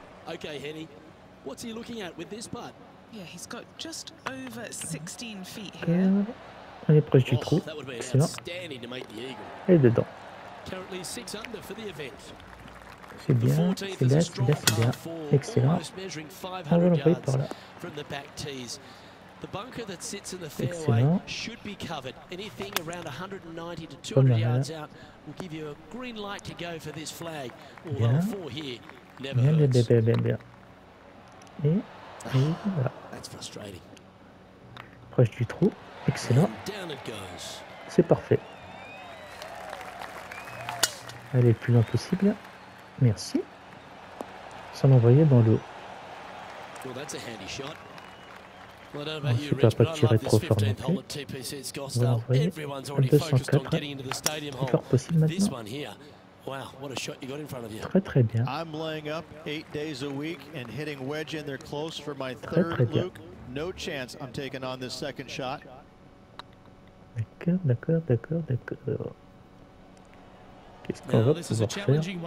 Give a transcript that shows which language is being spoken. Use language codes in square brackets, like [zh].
[en] Okay, Henny. What's he looking at with this putt? Yeah, he's got just over 16 feet here. [fr] On est proche du trou. Excellent. Et dedans. [en] Currently 6 under for the event. [fr] C'est bien, c'est bien, c'est bien, c'est bien. Excellent. On va l'envoyer par là. [en] From the back tees. The bunker that sits in the fairway should be covered. Anything around 190 to 200 yards out will give you a green light to go for this flag. Or level 4 here. [fr] Bien, bien, bien, bien, bien, bien. Et voilà. [en] That's frustrating. [fr] Proche du trou. Excellent. C'est parfait. Allez, le plus loin possible. Merci. Sans l'envoyer dans l'eau. [en] Well, that's a handy shot. [fr] Je ne peux pas tirer trop fort non plus. Voilà, vous voyez. À 204. C'est fort possible maintenant. [en] Wow, what a shot you got in front of you. [fr] Très très bien. [en] I'm laying up 8 days a week and hitting wedge in there close for my third Luke. No chance I'm taking on this second shot. [fr] D'accord, d'accord, d'accord, d'accord. Qu'est-ce qu'on va pouvoir faire?